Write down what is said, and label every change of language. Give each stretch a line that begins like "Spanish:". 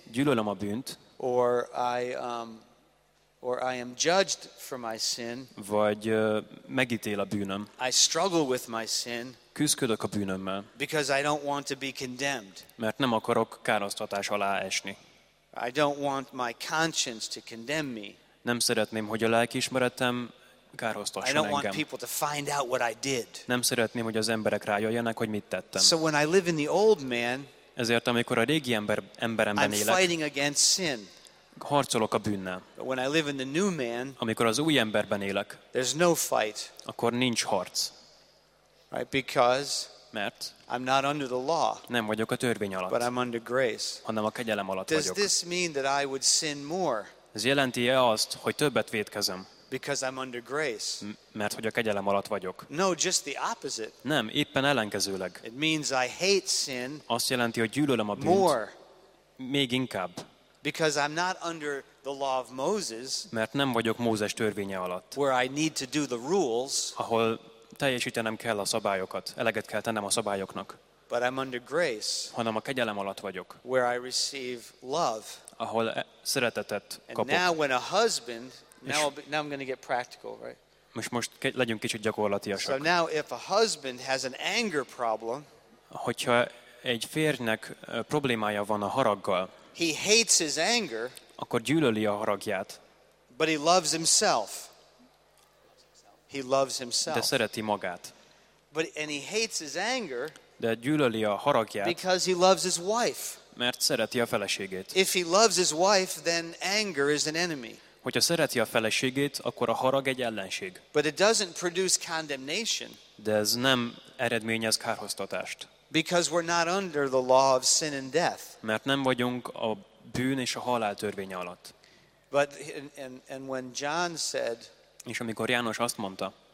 Hungarian: Gyűlölöm a bűnt.
English: Or I am judged for my sin.
Hungarian: Vagy megítél a bűnöm.
English: I struggle with my sin.
Hungarian: Küzdök a bűnömmel.
English: Because I don't want to be condemned.
Hungarian: Mert nem akarok károsztatás alá esni.
English: I don't want my conscience to condemn me.
Hungarian: Nem szeretném, hogy a lelkiismeretem károsztasson engem.
English: I don't want people to find out what I did.
Hungarian: Nem szeretném, hogy az emberek rájöjjenek, hogy mit tettem.
English: So when I live in the old man,
Hungarian: ezért amikor a régi emberemben élek,
English: I'm fighting against sin.
Hungarian: Harcolok a bűnnel.
English: But when I live in the new man,
Hungarian: amikor az új emberben élek,
English: there's no fight.
Hungarian: Akkor nincs harc.
English: Right? Because
Hungarian: mert
English: I'm not under the law.
Hungarian: Nem vagyok a törvény alatt.
English: But I'm under grace.
Hungarian: Hanem a kegyelem alatt
English: Does
Hungarian: vagyok.
English: Does this mean that I would sin more?
Hungarian: Ez jelenti-e azt, hogy többet vétkezem?
English: Because I'm under grace.
Hungarian: Mert hogy a kegyelem alatt vagyok.
English: No, just the opposite.
Hungarian: Nem, éppen ellenkezőleg.
English: It means I hate sin.
Hungarian: Azt jelenti, hogy gyűlölöm a bűnt.
English: More.
Hungarian: Még inkább.
English: Because I'm not under the law of Moses.
Hungarian: Mert nem vagyok Mózes törvénye alatt.
English: Where I need to do the rules.
Hungarian: Ahol teljesítenem kell a szabályokat, eleget kell tennem a szabályoknak.
English: But I'm under grace.
Hungarian: Hanem a kegyelem alatt vagyok.
English: Where I receive love.
Hungarian: Ahol szeretetet kapok.
English: And now when a husband, now I'm going to get practical, right?
Hungarian: Most legyünk kicsit gyakorlatiasak.
English: So now if a husband has an anger problem,
Hungarian: hogyha egy férjnek problémája van a haraggal,
English: he hates his anger,
Hungarian: akkor gyűlöli a haragját.
English: But he loves himself. He loves himself.
Hungarian: De szereti magát.
English: And he hates his anger.
Hungarian: De gyűlöli a haragját.
English: Because he loves his wife.
Hungarian: Mert szereti a feleségét.
English: If he loves his wife, then anger is an enemy.
Hungarian: Hogyha szereti a feleségét, akkor a harag egy ellenség.
English: But it doesn't produce condemnation.
Hungarian: De ez nem eredményez kárhoztatást.
English: Because we're not under the law of sin and death.
Hungarian: Mert nem vagyunk a bűn és a halál törvénye alatt.
English: But and when John said,
Hungarian: és amikor János azt mondta,